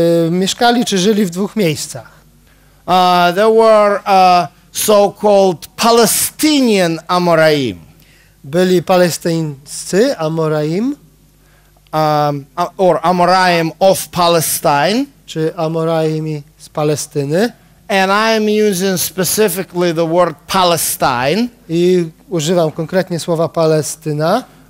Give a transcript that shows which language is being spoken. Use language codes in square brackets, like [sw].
[pl] Mieszkali czy żyli w dwóch miejscach. [en] There were so-called Palestinian Amoraim. [pl] Byli palestyńscy Amoraim. [en] Or Amoraim of Palestine. [pl] Czy Amoraimi z Palestyny. [en] And I'm using specifically the word Palestine. [pl] I używam konkretnie słowa Palestyna.